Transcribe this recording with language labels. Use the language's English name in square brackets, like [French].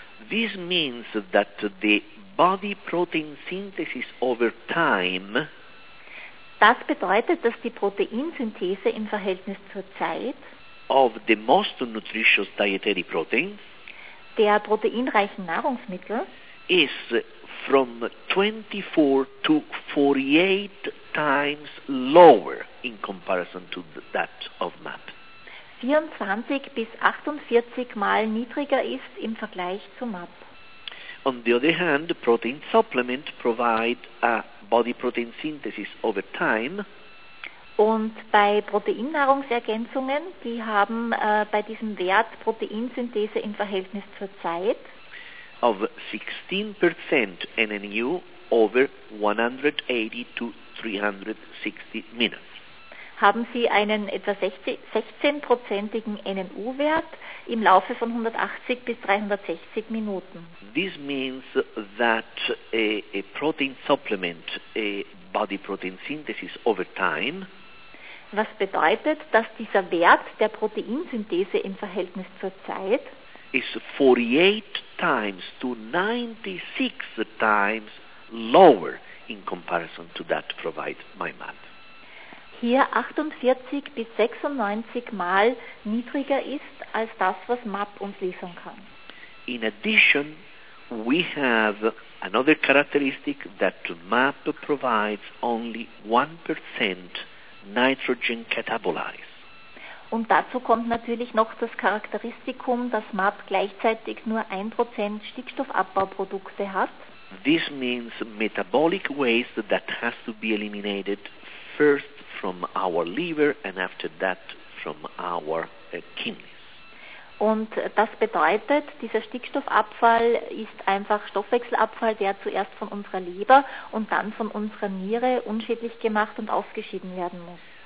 [English] This means that the body protein synthesis over time. [German] Das bedeutet, dass die Proteinsynthese im Verhältnis zur Zeit [English] of the most nutritious dietary proteins [German] der proteinreichen Nahrungsmittel [English] is from 24 to 48 times lower in comparison to that of MAP. [German] 24 bis 48 Mal niedriger ist im Vergleich zu MAP. [English] On the other hand, protein supplements provide a body protein synthesis over time. [German] Und bei Proteinnahrungsergänzungen, die haben bei diesem Wert Proteinsynthese im Verhältnis zur Zeit [English] of 16% NNU over 180 to 360 minutes. [German] Haben Sie einen etwa 16%igen NNU-Wert im Laufe von 180 bis 360 Minuten. [English] This means that a protein supplement, a body protein synthesis over time. [German] Was bedeutet, dass dieser Wert der Proteinsynthese im Verhältnis zur Zeit [English] is 48 times to 96 times lower in comparison to that provide my MAP. [German] Hier 48 bis 96 Mal niedriger ist als das, was MAP uns liefern kann. [English] In addition, we have another characteristic that MAP provides only 1% nitrogen catabolize. [German] Und dazu kommt natürlich noch das Charakteristikum, dass MAP gleichzeitig nur 1% Stickstoffabbauprodukte hat. [English] This means metabolic waste that has to be eliminated first from our liver and after that from our kidneys. [German] Und das bedeutet, dieser Stickstoffabfall ist einfach Stoffwechselabfall, der zuerst von unserer Leber und dann von unserer Niere unschädlich gemacht und ausgeschieden werden muss.